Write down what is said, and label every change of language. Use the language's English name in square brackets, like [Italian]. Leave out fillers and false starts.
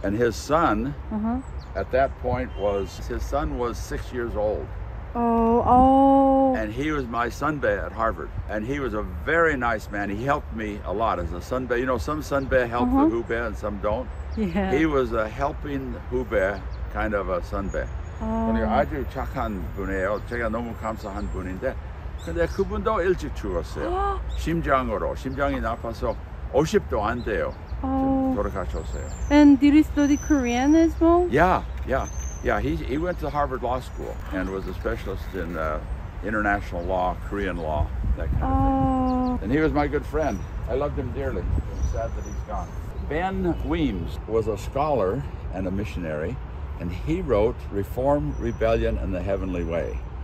[English] And his son, at that point, was 6 years old. Oh. And he was my sunbae at Harvard. And he was a very nice man. He helped me a lot as a sunbae. You know, some sunbae help the hubae and some don't. Yeah. He was a helping hubae kind of a sunbae. Oh. [Korean] 그러니까 아주 착한 분이에요. 제가 너무 감사한 분인데. 근데 그분도 일찍 죽었어요. 심장으로. 심장이 나빠서 50도 안 돼요. 돌아가셨어요. [English] And did he study Korean as well? Yeah, yeah. Yeah, he went to Harvard Law School and was a specialist in international law, Korean law, that kind of thing. And he was my good friend. I loved him dearly. I'm sad that he's gone. Ben Weems was a scholar and a missionary, and he wrote Reform, Rebellion, and the Heavenly Way.